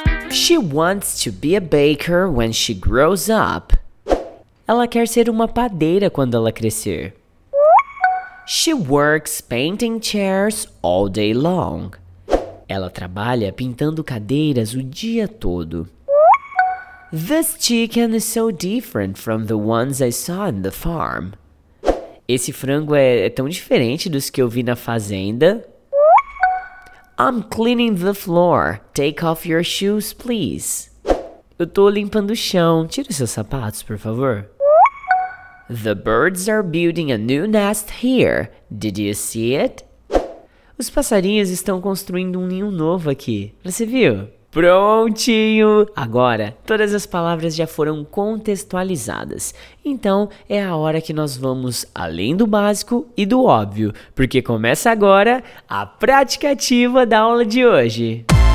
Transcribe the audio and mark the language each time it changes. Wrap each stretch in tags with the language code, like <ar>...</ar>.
<en>She wants to be a baker when she grows up.</en> <pt>Ela quer ser uma padeira quando ela crescer.</pt> <en>She works painting chairs all day long.</en> <pt>Ela trabalha pintando cadeiras o dia todo.</pt> <en>This chicken is so different from the ones I saw in the farm.</en> <pt>Esse frango é tão diferente dos que eu vi na fazenda.</pt> <en>I'm cleaning the floor. Take off your shoes, please.</en> <pt>Eu tô limpando o chão. Tira seus sapatos, por favor.</pt> <en>The birds are building a new nest here. Did you see it?</en> <pt>Os passarinhos estão construindo um ninho novo aqui. Você viu? Prontinho! Agora, todas as palavras já foram contextualizadas. Então, é a hora que nós vamos além do básico e do óbvio. Porque começa agora a prática ativa da aula de hoje.</pt>